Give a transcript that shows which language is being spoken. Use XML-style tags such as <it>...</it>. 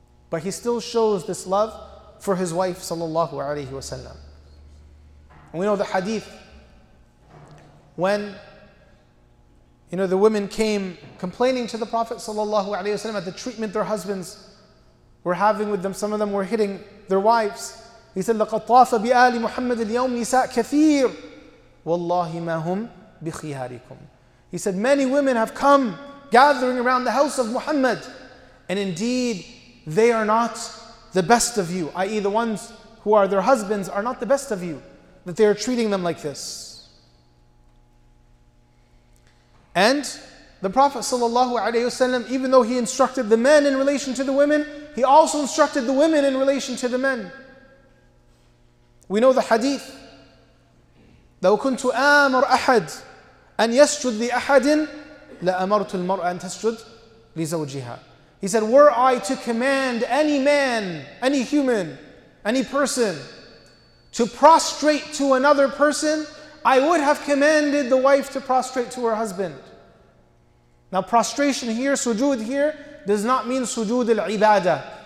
<en>But he still shows this love for his wife sallallahu alaihi wasallam. And we know the hadith when, you know, the women came complaining to the Prophet sallallahu alaihi wasallam at the treatment their husbands were having with them. Some of them were hitting their wives. He said,</en> <ar>لَقَدْ طَافَ بِآلِ مُحَمَّدِ الْيَوْمِ نِسَاءَ كَثِيرٌ وَاللَّهِ مَا هُمْ بِخِيَارِكُمْ.</ar> <en>He said, many women have come gathering around the house of Muhammad, and indeed they are not the best of you, i.e. the ones who are their husbands are not the best of you, that they are treating them like this. And the Prophet sallallahu alaihi wasallam, even though he instructed the men in relation to the women, he also instructed the women in relation to the men. We know the hadith,</en> <ar>لو كنت آمر أحد أن يسجد لأحد لأمرت المرأة أن تسجد لزوجها.</ar> <en>He said, were I to command any man, any human, any person to prostrate to another person, I would have commanded the wife to prostrate to her husband. Now prostration here, sujood here, does not mean sujood al-ibadah.</en>